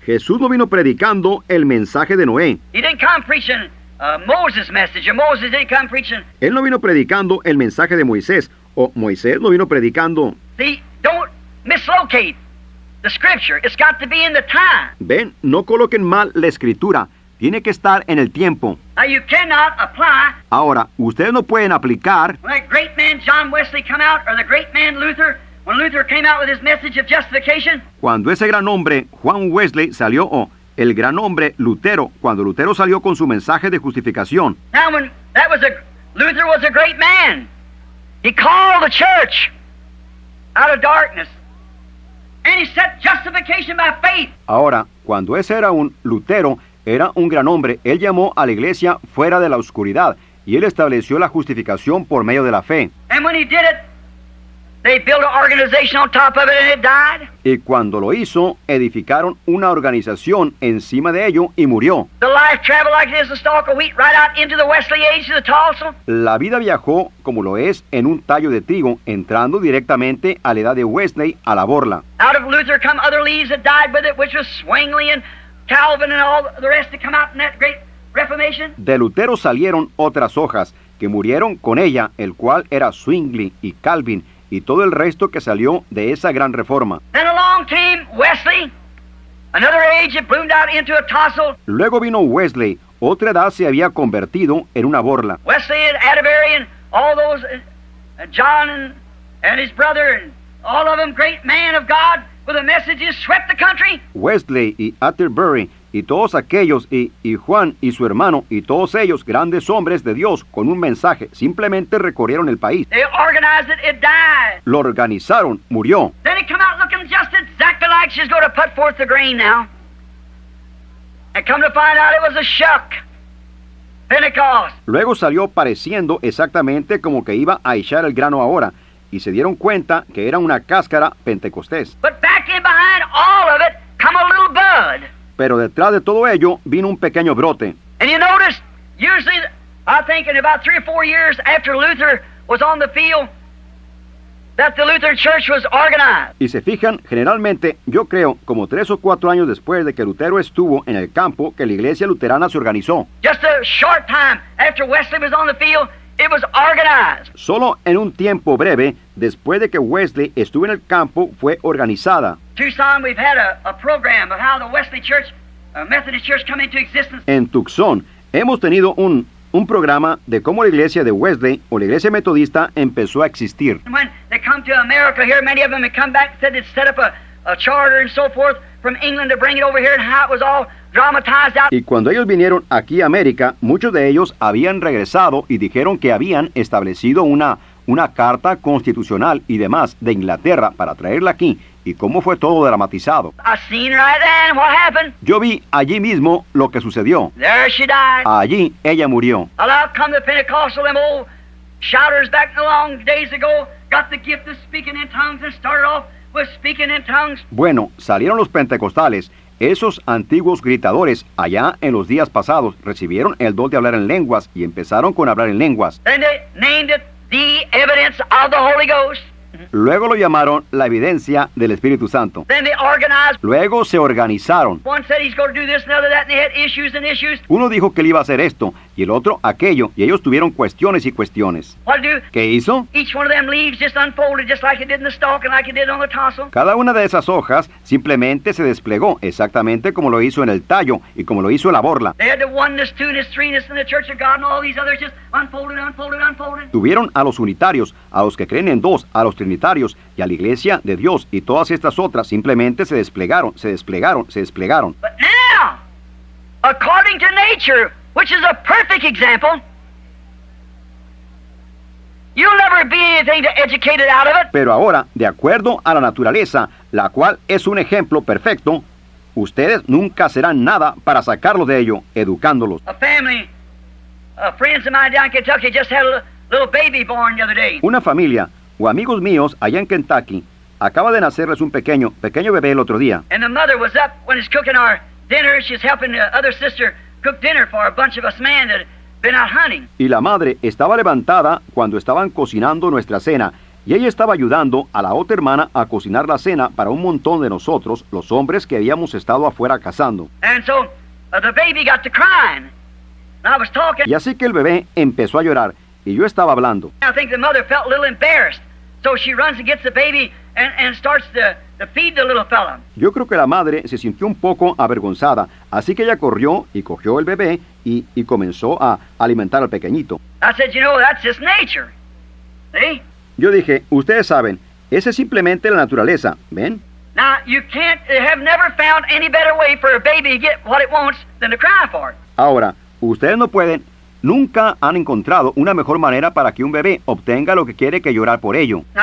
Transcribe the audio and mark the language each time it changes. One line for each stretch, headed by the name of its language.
Spanish: Jesús no vino predicando el mensaje de Noé.
English: He didn't come preaching Moses' message. Or Moses didn't come preaching.
Spanish: Él no vino predicando el mensaje de Moisés. O Moisés no vino predicando.
English: See, don't mislocate the scripture. It's got to be in the time.
Spanish: Ven, no coloquen mal la escritura. Tiene que estar en el tiempo.
English: Now you cannot apply.
Spanish: Ahora, ustedes no pueden aplicar.
English: When the great man John Wesley come out, or the great man Luther. When Luther came out with his message of justification,
Spanish: cuando ese gran hombre Juan Wesley salió, o el gran hombre Lutero, cuando Lutero salió con su mensaje de justificación.
English: Now when that was a Luther was a great man. He called the church out of darkness. And he set justification by faith.
Spanish: Ahora, cuando ese era un Lutero, era un gran hombre, él llamó a la iglesia fuera de la oscuridad, y él estableció la justificación por medio de la fe.
English: And when he did it, they built an organization on top of it and it died.
Spanish: Y cuando lo hizo, edificaron una organización encima de ello y murió.
English: The life traveled like it is a stalk of wheat right out into the Wesley age of the Tulsa.
Spanish: La vida viajó como lo es en un tallo de trigo, entrando directamente a la edad de Wesley, a la borla.
English: Out of Luther come other leaves that died with it, which was Zwingli and Calvin and all the rest that come out in that great reformation.
Spanish: De Lutero salieron otras hojas que murieron con ella, el cual era Zwingli y Calvin, y todo el resto que salió de esa gran reforma.
English: Then along came Wesley, another age that bloomed out into a tassel.
Spanish: Luego vino Wesley, otra edad se había convertido en una borla.
English: Wesley and Atterbury and all those, John and his brother, and all of them great men of God with a message that swept the country.
Spanish: Wesley y Atterbury y todos aquellos, y Juan y su hermano, y todos ellos, grandes hombres de Dios, con un mensaje, simplemente recorrieron el país.
English: They organized it, it died.
Spanish: Lo organizaron, murió.
English: Then it come out looking just exactly like she's going to put forth the grain now. And come to find out it was a shuck. Pentecost.
Spanish: Luego salió pareciendo exactamente como que iba a echar el grano ahora, y se dieron cuenta que era una cáscara pentecostés.
English: But back in behind all of it come a little bud.
Spanish: Pero detrás de todo ello vino un pequeño brote.
English: And you notice, usually, I think in about 3 or 4 years after Luther was on the field, that the Lutheran church was organized.
Spanish: Y se fijan, generalmente, yo creo, como 3 o 4 años después de que Lutero estuvo en el campo, que la iglesia luterana se organizó.
English: Just a short time after Wesley was on the field, it was organized.
Spanish: Solo en un tiempo breve, después de que Wesley estuvo en el campo, fue organizada.
English: Tucson, we've had a program of how the Wesley Church, a Methodist Church, come into existence.
Spanish: En Tucson, hemos tenido un programa de cómo la iglesia de Wesley, o la iglesia metodista, empezó a existir.
English: When they come to America here, many of them had come back and said they'd set up a charter and so forth from England to bring it over here, and how it was all dramatized out.
Spanish: Y cuando ellos vinieron aquí a América, muchos de ellos habían regresado y dijeron que habían establecido una carta constitucional y demás de Inglaterra para traerla aquí, y cómo fue todo dramatizado.
English: I seen right then what happened.
Spanish: Yo vi allí mismo lo que sucedió.
English: There she died.
Spanish: Allí ella murió.
English: Well, out come the Pentecostal, them old shouters back in the long days ago, got the gift of speaking in tongues and started off with speaking in tongues.
Spanish: Bueno, salieron los pentecostales. Esos antiguos gritadores, allá en los días pasados, recibieron el don de hablar en lenguas y empezaron con hablar en lenguas.
English: Then they named it the evidence of the Holy Ghost.
Spanish: Luego lo llamaron la evidencia del Espíritu Santo.
English: Then they organized.
Spanish: Luego se organizaron.
English: One said he's going to do this, another that, and they had issues and issues.
Spanish: Uno dijo que él iba a hacer esto, y el otro aquello, y ellos tuvieron cuestiones y cuestiones.
English: What do?
Spanish: ¿Qué hizo?
English: Each one of them leaves just unfolded, just like it did in the stalk and like it did on the tassel.
Spanish: Cada una de esas hojas simplemente se desplegó, exactamente como lo hizo en el tallo y como lo hizo en la borla.
English: They had the oneness, two-ness, three-ness in the church of God, and all these others just unfolded, unfolded, unfolded.
Spanish: Tuvieron a los unitarios, a los que creen en dos, a los trinitarios y a la iglesia de Dios, y todas estas otras simplemente se desplegaron, se desplegaron, se desplegaron.
English: But now, according to nature, which is a perfect example, you'll never be anything to educate it out of it.
Spanish: Pero ahora, de acuerdo a la naturaleza, la cual es un ejemplo perfecto, ustedes nunca serán nada para sacarlos de ello, educándolos.
English: A family, friends of mine down in Kentucky just had a little baby born the other day.
Spanish: Una familia o amigos míos allá en Kentucky acaba de nacerles un pequeño bebé el otro día.
English: And the mother was up when he's cooking our dinner. She's helping the other sister cook dinner for a bunch of us men that had been out hunting.
Spanish: Y la madre estaba levantada cuando estaban cocinando nuestra cena, y ella estaba ayudando a la otra hermana a cocinar la cena para un montón de nosotros, los hombres que habíamos estado afuera cazando.
English: And so the baby got to crying. And I was talking.
Spanish: Y así que el bebé empezó a llorar, y yo estaba hablando.
English: I think the mother felt a little embarrassed, so she runs and gets the baby and starts to feed the little fella.
Spanish: Yo creo que la madre se sintió un poco avergonzada, así que ella corrió y cogió el bebé y comenzó a alimentar al pequeñito.
English: I said, you know, that's just nature. See?
Spanish: Yo dije, ustedes saben, esa es simplemente la naturaleza, ¿ven?
English: Now, you can't have never found any better way for a baby to get what it wants than to cry for it.
Spanish: Ahora, ustedes no pueden Nunca han encontrado una mejor manera para que un bebé obtenga lo que quiere que llorar por ello.